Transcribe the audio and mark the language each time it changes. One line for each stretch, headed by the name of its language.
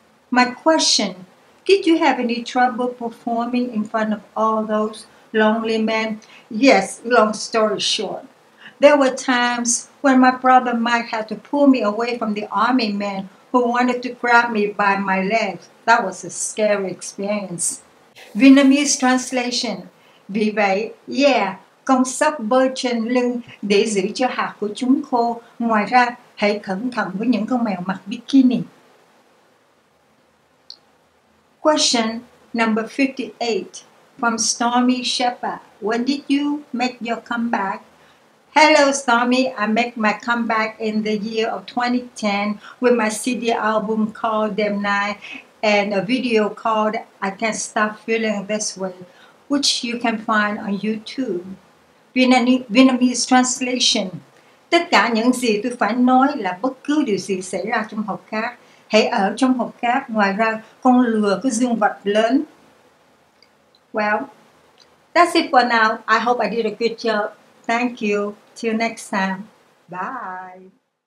English: My question, did you have any trouble performing in front of all those lonely men? Yes, long story short. There were times when my brother Mike had to pull me away from the army men who wanted to grab me by my legs. That was a scary experience. Vietnamese translation.
Vietnamese: Vì vậy, yeah, con sóc bơi trên lưng để giữ cho hạt của chúng khô. Ngoài ra, hãy cẩn thận với những con mèo mặc bikini.
English: Question number 58 from Stormy Shepherd. When did you make your comeback? Hello, Stormy. I make my comeback in the year of 2010 with my CD album called Dem Night and a video called I Can't Stop Feeling This Way, which you can find on YouTube. Vietnamese translation.
Vietnamese: Tất cả những gì tôi phải nói là bất cứ điều gì xảy ra trong hộp cát, hãy ở trong hộp cát. Ngoài ra, con lừa có dương vật lớn.
English: Well, that's it for now. I hope I did a good job. Thank you. Till next time. Bye.